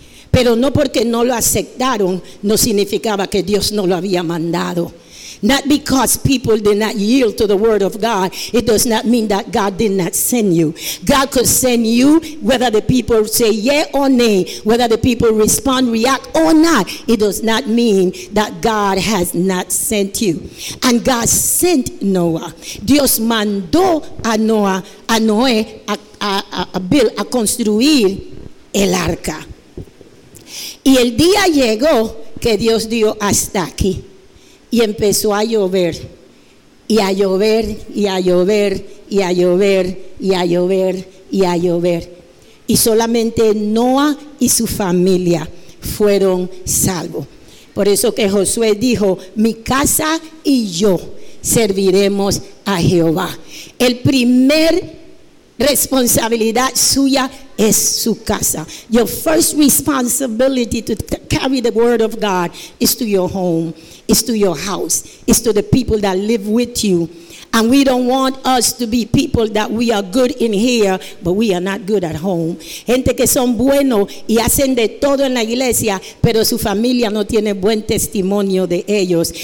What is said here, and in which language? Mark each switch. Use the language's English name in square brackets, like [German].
[Spanish] Pero no porque no lo aceptaron, no significaba que Dios no lo había mandado. [English] Not because people did not yield to the word of God, it does not mean that God did not send you. God could send you whether the people say yeah or nay, whether the people respond, react or not. It does not mean that God has not sent you. And God sent Noah. [Spanish] Dios mandó a Noah, a Noé, a Bill, a construir el arca. Y el día llegó que Dios dio hasta aquí. Y empezó a llover, y a llover, y a llover, y a llover, y a llover, y a llover. Y solamente Noah y su familia fueron salvos. Por eso que Josué dijo, mi casa y yo serviremos a Jehová. El primer responsabilidad suya es su casa. [English] Your first responsibility to carry the word of God is to your home, is to your house, is to the people that live with you. And we don't want us to be people that we are good in here, but we are not good at home. [Spanish] Gente que son buenos y hacen de todo en la iglesia, pero su familia no tiene buen testimonio de ellos.